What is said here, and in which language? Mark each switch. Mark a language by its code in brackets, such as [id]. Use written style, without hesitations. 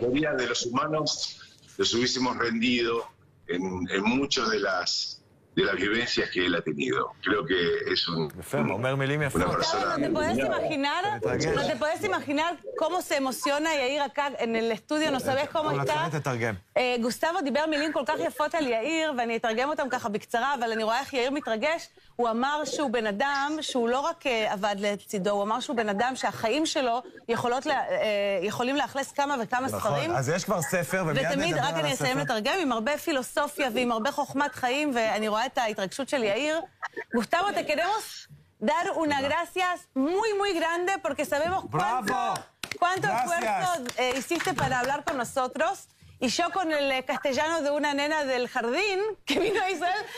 [es] La mayoría de los humanos los hubiésemos rendido en muchas de las vivencias que él ha tenido. Creo que es un... No te puedes imaginar cómo se emociona Yair acá en el estudio, no sabes cómo está. [he] Gustavo דיבר מילים כל כך יפות על יאיר, ואני אתרגם אותם ככה בקצרה, אבל אני רואה איך יאיר מתרגש. הוא אמר שהוא בן אדם שהוא לא רק עבד לצידו, הוא אמר שהוא בן אדם שהחיים שלו יכולים לאכלס כמה וכמה ספרים. אז יש כבר ספר, ותמיד רק אני אסיים לתרגם עם הרבה פילוסופיה ועם הרבה חוכמת חיים, ואני רואה את ההתרגשות של יאיר. [es] גוסטבו, te queremos dar una gracias muy muy grande porque sabemos cuánto esfuerzo hiciste para hablar con nosotros. Y yo con el castellano de una nena del jardín que vino a Israel.